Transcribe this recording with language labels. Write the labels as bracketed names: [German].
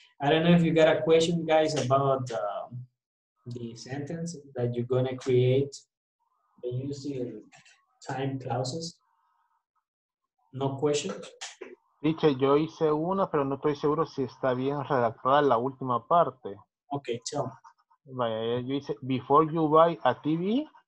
[English] I don't know if you got a question, guys, about the sentence that you're gonna create by using time clauses. No question. [Spanish] Dice, yo hice una, pero no estoy seguro si está bien redactada la última parte. [English] Okay, chao. [Spanish] Vaya, yo hice, [English] before you buy a TV,